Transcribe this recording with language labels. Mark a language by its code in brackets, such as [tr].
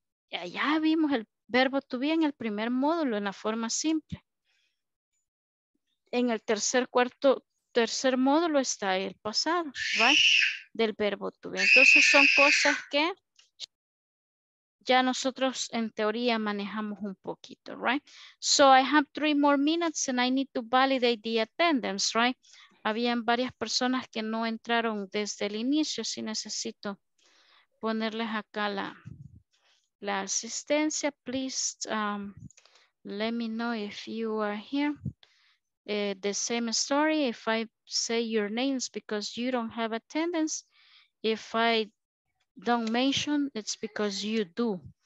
[es] Ya vimos el verbo to be en el primer módulo, en la forma simple. En el tercer módulo está el pasado, ¿right? Del verbo to be. Entonces son cosas que ya nosotros en teoría manejamos un poquito, ¿right? [en] So I have 3 more minutes and I need to validate the attendance, ¿right? [es] Habían varias personas que no entraron desde el inicio, así necesito ponerles acá la asistencia. [en] Please let me know if you are here. The same story, if I say your names because you don't have attendance, if I don't mention, it's because you do.